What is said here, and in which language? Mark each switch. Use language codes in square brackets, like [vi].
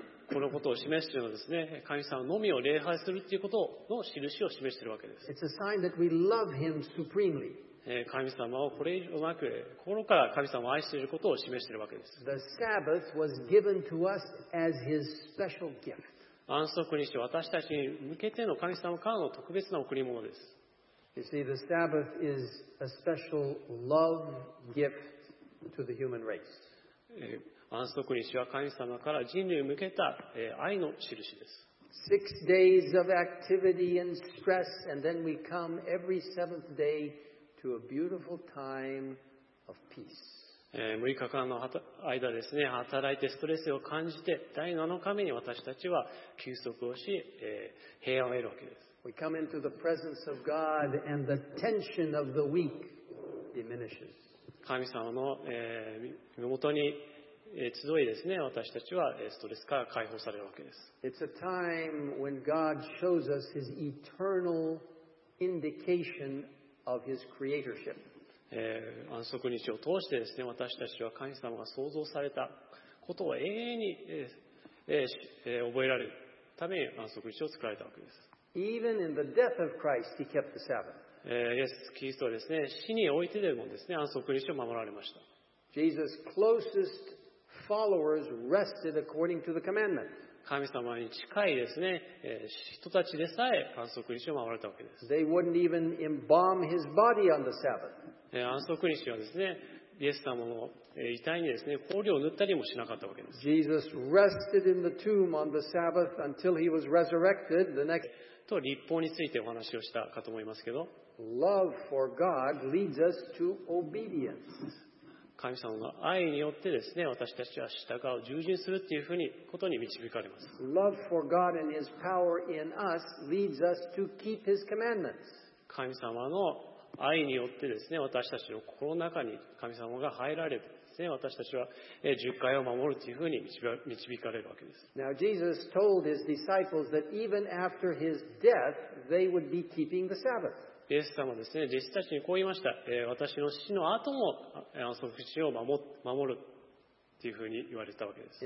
[ja] このことを示しているのはですね、神様のみを礼拝するということの印を示しているわけです。 [en] It's a sign that we love Him supremely. [ja] 神様をこれ以上なく心から神様を愛していることを示しているわけです。 [en] The Sabbath was given to us as His special gift. [ja] 安息日は私たちに向けての神様からの特別な贈り物です。 [en] You see, the Sabbath is a special love gift to the human race. [ja] 安息日は神様から人類に向けた愛の印です。 [en] Six days of activity and stress, and then we come every seventh day. To a beautiful time of peace. [ja] 6日間の間ですね、働いてストレスを感じて、第7日目に私たちは休息をし、平安を得るわけです。 [en] We come into the presence of God and the tension of the week diminishes. [ja] 神様の身元に集いですね、私たちはストレスから解放されるわけです。 [en] It's a time when God shows us His eternal indication. Of his creatorship. [ja] 安息日を通してですね、私たちは神様が創造されたことを永遠に覚えられるために安息日を作られたわけです。 [en] Even in the death of Christ, he kept the Sabbath. [ja] イエス・キリストはですね、死においてでもですね、安息日を守られました。 [en] Jesus' closest followers rested according to the commandment. [ja] 神様に近いですね、人たちでさえ安息日を守られたわけです。 [en] They wouldn't even embalm his body on the Sabbath. [ja] 安息日はですね、イエス様の遺体にですね、香料を塗ったりもしなかったわけです。 [en] Jesus rested in the tomb on the Sabbath until he was resurrected the next [ja] と立法についてお話をしたかと思いますけど。 [en] Love for God leads us to obedience. [ja] 神様の愛によってですね、私たちは従う、従順するっていうふうにことに導かれます。 [en] Love for God and His power in us leads us to keep His commandments. [ja] 神様の愛によってですね、私たちの心の中に神様が入られてですね、私たちは十戒を守るというふうに導かれるわけです。 [en] Now Jesus told His disciples that even after His death, they would be keeping the Sabbath. [ja] イエス様はですね、弟子たちにこう言いました。私の死の後も安息日を守るというふうに言われたわけです。